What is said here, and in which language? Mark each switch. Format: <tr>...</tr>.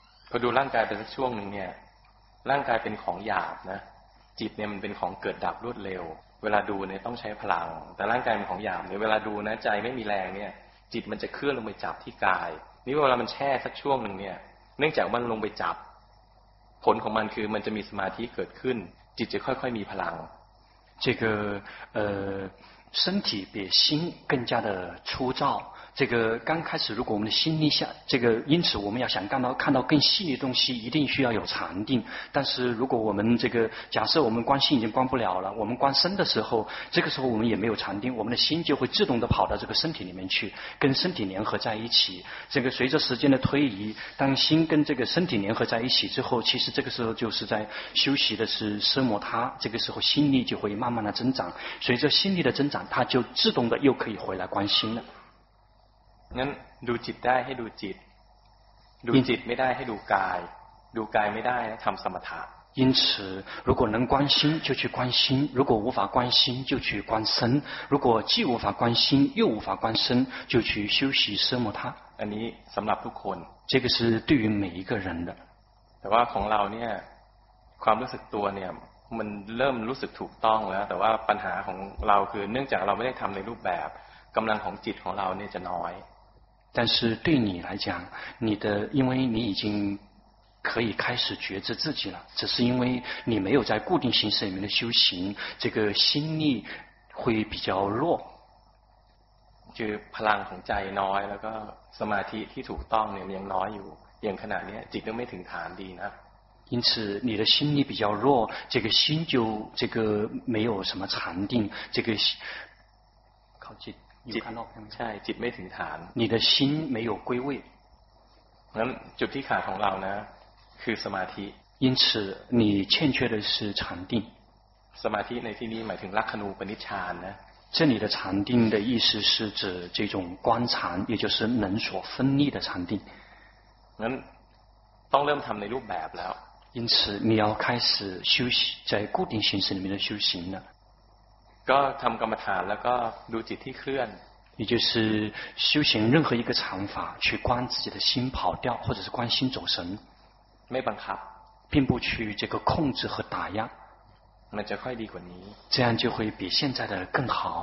<th>พอดูร่างกายไปสักช่วงนึงเนี่ยร่างกายเป็นของหยาบนะจิตเนี่ยมันเป็นของเกิดดับรวดเร็วเวลาดูเนี่ยต้องใช้พลังแต่ร่างกายเป็นของหยาบเนี่ยเวลาดูนะใจไม่มีแรงเนี่ยจิตมันจะเคลื่อนลงไปจับที่กายนี่เวลามันแช่สักช่วงหนึ่งเนี่ยเนื่องจากมันลงไปจับผลของมันคือมันจะมีสมาธิเกิดขึ้นจิตจะค่อยๆมีพลัง</th> <zh>这个身体比心更加的粗糙这个刚开始如果我们的心力下这个因此我们要想看到更细的东西一定需要有禅定但是如果我们这个假设我们观心已经观不了了我们观身的时候这个时候我们也没有禅定我们的心就会自动的跑到这个身体里面去跟身体联合在一起这个随着时间的推移当心跟这个身体联合在一起之后其实这个时候就是在休息的是奢摩他这个时候心力就会慢慢的增长随着心力的增长它就自动的又可以回来观心了</zh> <th>งั้นดูจิตได้ให้ดูจิตดูจิตไม่ได้ให้ดูกายดูกายไม่ได้ให้ทำสมถะ</th> <zh>因此如果能观心就去观心如果无法观心就去观身如果既无法观心又无法观身就去休息奢摩他</zh> <th>อันนี้สำหรับทุกคน</th> <zh>这个是对于每一个人的</zh> <th>แต่ว่าของเราเนี่ยความรู้สึกตัวเนี่ยมันเริ่มรู้สึกถูกต้องแล้วแต่ว่าปัญหาของเราคือเนื่องจากเราไม่ได้ทำในรูปแบบกำลังของจิตของเราเนี่ยจะน้อย</th> <zh>但是对你来讲你的因为你已经可以开始觉知自己了只是因为你没有在固定形式里面的修行这个心力会比较弱就</zh> <th>พลังของใจน้อยแล้วก็สมาธิที่ถูกต้องเนี่ยยังน้อยอยู่อย่างขนาดนี้จิตยังไม่ถึงฐานดีนะ</th> <zh>因此你的心力比较弱这个心就这个没有什么禅定这个靠近</zh> <th>จิตใช่จิตไม่ถึงฐาน</th> <zh>你的心没有归位</zh> <th>งั้นจุดที่ขาดของเรานะคือสมาธิ</th> <zh>因此你欠缺的是禅定</zh> <th>สมาธิในที่นี้หมายถึงลัคนูปนิชฌานนะ</th> <zh>这里的禅定的意思是指这种观禅也就是能所分立的禅定</zh> <th>งั้นต้องเริ่มทำในรูปแบบแล้ว</th> <zh>因此你要开始修习在固定形式里面的修行了</zh> <th>ก็ทำกรรมฐานแล้วก็ดูจิตที่เคลื่อน</th> <zh>也就是修行任何一个禅法去观自己的心跑掉或者是观心走神</zh> <th>ไม่บังคับ</th> <zh>并不去这个控制和打压</zh> <th>มันจะค่อยดีกว่านี้</th> <zh>这样就会比现在的更好</zh>